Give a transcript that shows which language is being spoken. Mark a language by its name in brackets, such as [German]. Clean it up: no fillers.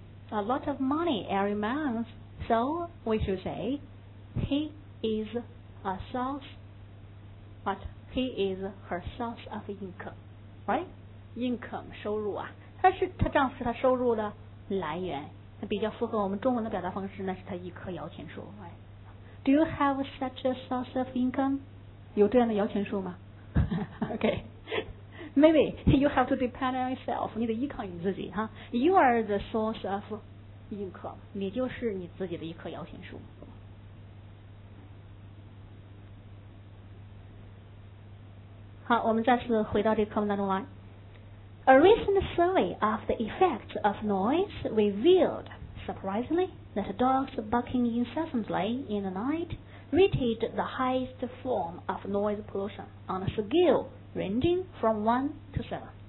[English] A lot of money every month. So we should say. He is a source, but he is her source of income, right? Income [Chinese] 收入啊，她是她丈夫是她收入的来源，那比较符合我们中文的表达方式，那是她一棵摇钱树。 [English] Do you have such a source of income? [Chinese] 有这样的摇钱树吗？ [English] OK, maybe you have to depend on yourself. [Chinese] 你得依靠你自己哈。 [English] You are the source of income. [Chinese] 你就是你自己的一棵摇钱树。好，我们再次回到这个课文当中来。 [English] A recent survey of the effects of noise revealed, surprisingly, that dogs barking incessantly in the night rated the highest form of noise pollution on a scale ranging from 1 to 7.